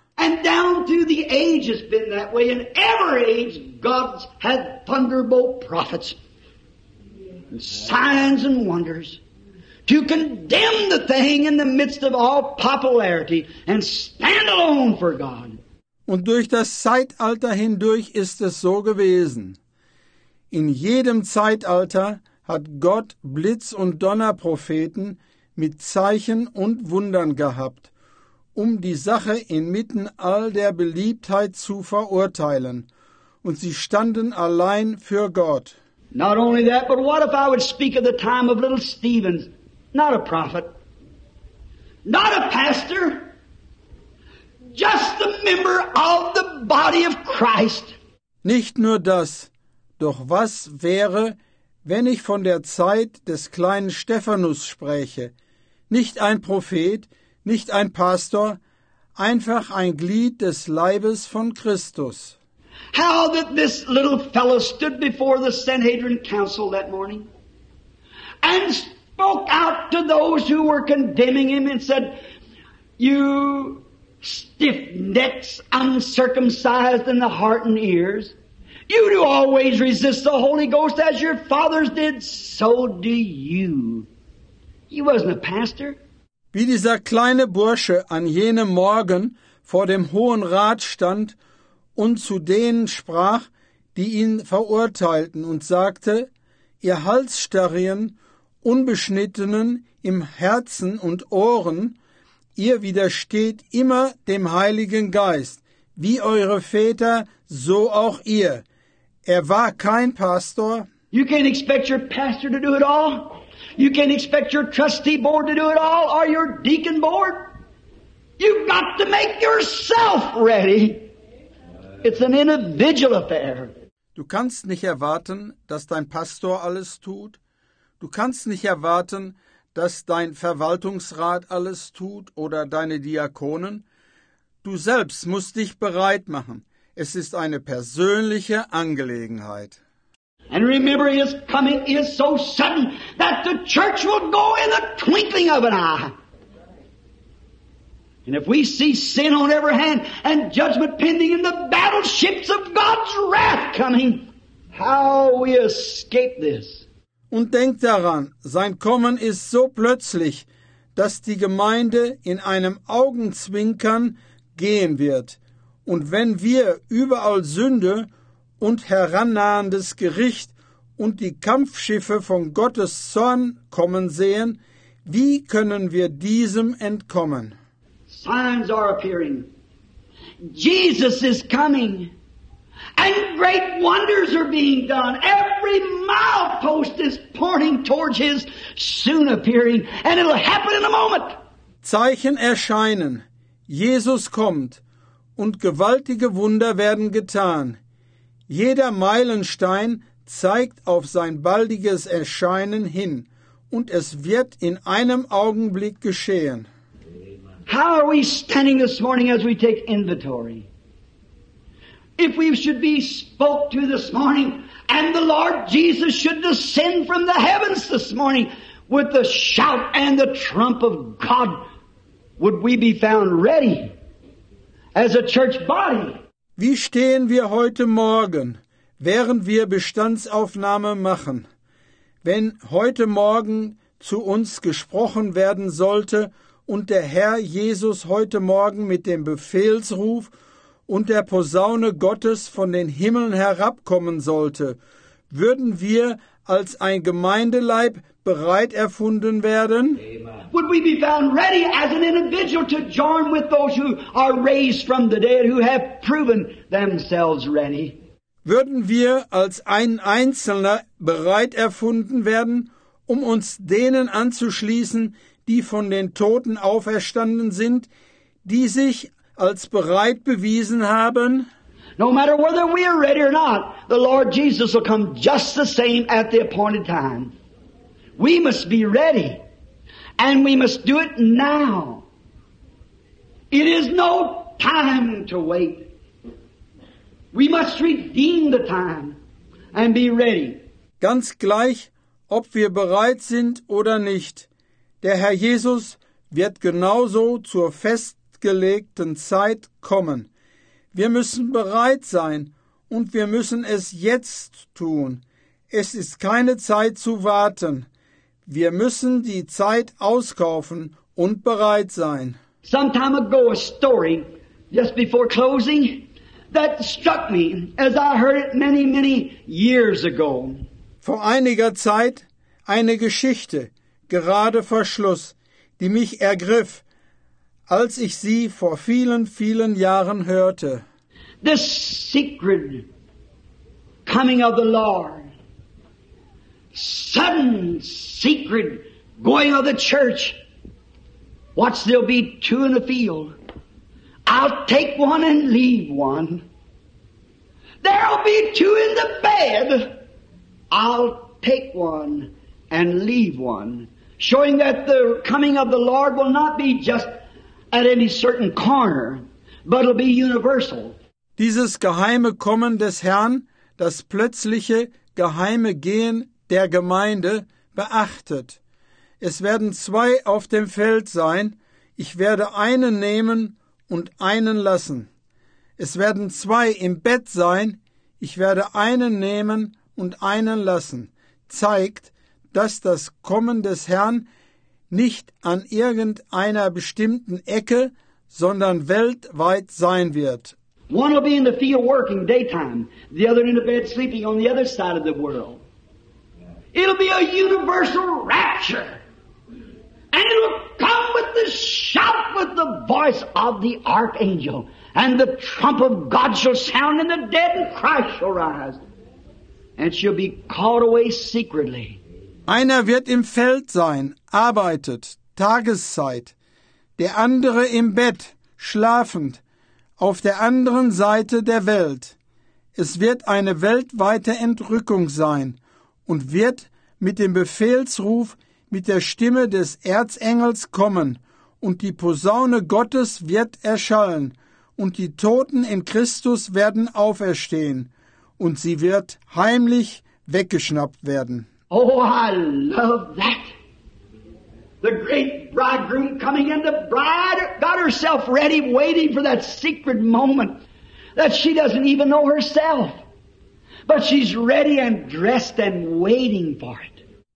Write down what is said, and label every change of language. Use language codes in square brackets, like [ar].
[en] And down through the ages been that way, in every age God's had thunderbolt prophets, signs and wonders. To condemn the thing in the midst of all popularity and stand alone for God. [de] Und durch das Zeitalter hindurch ist es so gewesen. In jedem Zeitalter hat Gott Blitz- und Donnerpropheten mit Zeichen und Wundern gehabt, um die Sache inmitten all der Beliebtheit zu verurteilen. Und sie standen allein für Gott. [en] Not only that, but what if I would speak of the time of little Stephen's? Not a prophet, not a pastor, just a member of the body of Christ. [de] Nicht nur das, doch was wäre, wenn ich von der Zeit des kleinen Stephanus spräche? Nicht ein Prophet, nicht ein Pastor, einfach ein Glied des Leibes von Christus. [en] How that this little fellow stood before the Sanhedrin council that morning and spoke out to those who were condemning him and said, "You stiff-necked, uncircumcised in the heart and ears, you do always resist the Holy Ghost as your fathers did, so do you." He wasn't a pastor. [de] Wie dieser kleine Bursche an jenem Morgen vor dem Hohen Rat stand und zu denen sprach, die ihn verurteilten, und sagte, ihr Halsstarrien, Unbeschnittenen im Herzen und Ohren, ihr widersteht immer dem Heiligen Geist, wie eure Väter, so auch ihr. Er war kein Pastor. [en] You can't expect your pastor to do it all. You can't expect your trustee board to do it all, or your deacon board. You've got to make yourself ready. It's an individual affair. [de] Du kannst nicht erwarten, dass dein Pastor alles tut. Du kannst nicht erwarten, dass dein Verwaltungsrat alles tut oder deine Diakonen. Du selbst musst dich bereit machen. Es ist eine persönliche Angelegenheit. [en] And remember, his coming is so sudden that the church will go in the twinkling of an eye. And if we see sin on every hand and judgment pending in the battleships of God's wrath coming, how we escape this. [de] Und denkt daran, sein Kommen ist so plötzlich, dass die Gemeinde in einem Augenzwinkern gehen wird. Und wenn wir überall Sünde und herannahendes Gericht und die Kampfschiffe von Gottes Zorn kommen sehen, wie können wir diesem entkommen? [en] Signs are appearing. Jesus is coming. And great wonders are being done. Every milepost is pointing towards his soon appearing. And it'll happen in a moment. [de] Zeichen erscheinen. Jesus kommt. Und gewaltige Wunder werden getan. Jeder Meilenstein zeigt auf sein baldiges Erscheinen hin, und es wird in einem Augenblick geschehen. [en] How are we standing this morning as we take inventory? If we should be spoke to this morning, and the Lord Jesus should descend from the heavens this morning with the shout and the trump of God, would we be found ready as a church body? [de] Wie stehen wir heute Morgen, während wir Bestandsaufnahme machen? Wenn heute Morgen zu uns gesprochen werden sollte und der Herr Jesus heute Morgen mit dem Befehlsruf und der Posaune Gottes von den Himmeln herabkommen sollte, würden wir als ein Gemeindeleib bereit erfunden werden? Amen. [en] Would we be found ready as an individual to join with those who are raised from the dead, who have proven themselves ready? [de] Würden wir als ein Einzelner bereit erfunden werden, um uns denen anzuschließen, die von den Toten auferstanden sind, die sich als bereit bewiesen haben? [en] No matter whether we are ready or not, the Lord Jesus will come just the same at the appointed time. We must be ready, and we must do it now. It is no time to wait. We must redeem the time and be ready. [de] Ganz gleich, ob wir bereit sind oder nicht, der Herr Jesus wird genauso zur festgelegten Zeit kommen. Wir müssen bereit sein und wir müssen es jetzt tun. Es ist keine Zeit zu warten. Wir müssen die Zeit auskaufen und bereit sein. [en] Some time ago a story, just before closing, that struck me as I heard it many, many years ago. [de] Vor einiger Zeit eine Geschichte, gerade vor Schluss, die mich ergriff, als ich sie vor vielen, vielen Jahren hörte. [en] The secret coming of the Lord. Sudden secret going of the church. Watch, there'll be two in the field. I'll take one and leave one. There'll be two in the bed. I'll take one and leave one. Showing that the coming of the Lord will not be just at any certain corner, but it'll be universal. [de] Dieses geheime Kommen des Herrn, das plötzliche geheime Gehen der Gemeinde, beachtet. Es werden zwei auf dem Feld sein. Ich werde einen nehmen und einen lassen. Es werden zwei im Bett sein. Ich werde einen nehmen und einen lassen. Zeigt, dass das Kommen des Herrn nicht an irgendeiner bestimmten Ecke, sondern weltweit sein wird. [en] One will be in the field working daytime, the other in the bed sleeping on the other side of the world. It'll be a universal rapture. And it'll come with the shout, with the voice of the archangel. And the trump of God shall sound, and the dead in Christ shall rise. And shall be caught away secretly. [de] Einer wird im Feld sein, arbeitet, Tageszeit. Der andere im Bett, schlafend, auf der anderen Seite der Welt. Es wird eine weltweite Entrückung sein. Und wird mit dem Befehlsruf, mit der Stimme des Erzengels kommen, und die Posaune Gottes wird erschallen, und die Toten in Christus werden auferstehen, und sie wird heimlich weggeschnappt werden. [en] Oh, I love that! The great bridegroom coming in, the bride got herself ready, waiting for that secret moment that she doesn't even know herself. But she's ready and dressed and waiting for it.